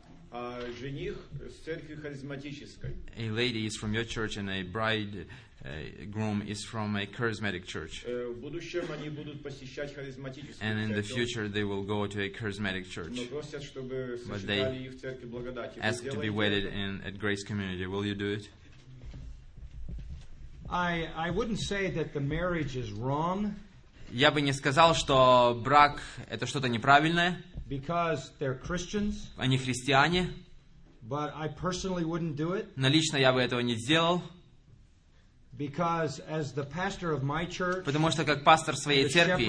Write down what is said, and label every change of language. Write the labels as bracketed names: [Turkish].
[Russian] А жених с церкви харизматической. [English] A lady is from your church and a bride, a groom is from a charismatic church. [Russian] В будущем они будут посещать харизматическую церковь. [English] And in the future they will go to a charismatic church. [Russian] Но просят, чтобы сочетали их в церкви благодати. [English] Ask to be wedded in at Grace Community. Will you do it? I wouldn't say that the marriage is wrong. [Russian] Я бы не сказал, что брак это что-то неправильное. [English] Because they're Christians. [Russian] Они христиане. [English] But I personally wouldn't do it. [Russian] Но лично я бы этого не сделал. [English] Because as the pastor of my church. [Russian] Потому что как пастор своей церкви.